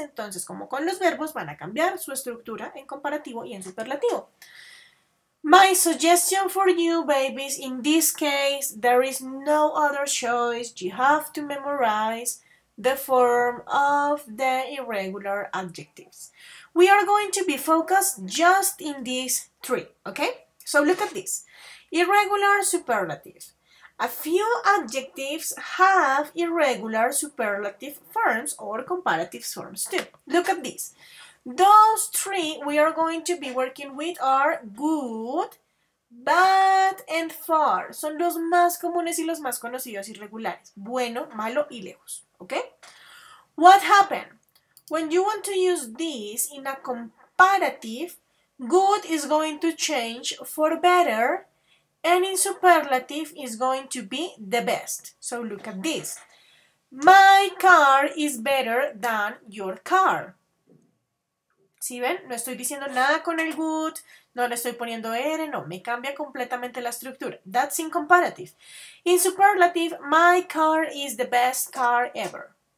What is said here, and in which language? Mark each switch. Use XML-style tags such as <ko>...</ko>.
<es>Entonces, como con los verbos, van a cambiar su estructura en comparativo y en superlativo.</es> <en>My suggestion for you, babies, in this case, there is no other choice. You have to memorize the form of the irregular adjectives. We are going to be focused just in these three, okay? So look at this. Irregular superlative. A few adjectives have irregular superlative forms or comparative forms too. Look at this. Those three we are going to be working with are good, bad, and far.</en> <es>Son los más comunes y los más conocidos irregulares. Bueno, malo y lejos.</es> <en>Okay? What happened? When you want to use this in a comparative, good is going to change for better, and in superlative is going to be the best. So look at this. My car is better than your car.</en> <es>¿Sí ven? No estoy diciendo nada con el good, no le estoy poniendo R, no. Me cambia completamente la estructura.</es> <en>That's in comparative. In superlative, my car is the best car ever.</en>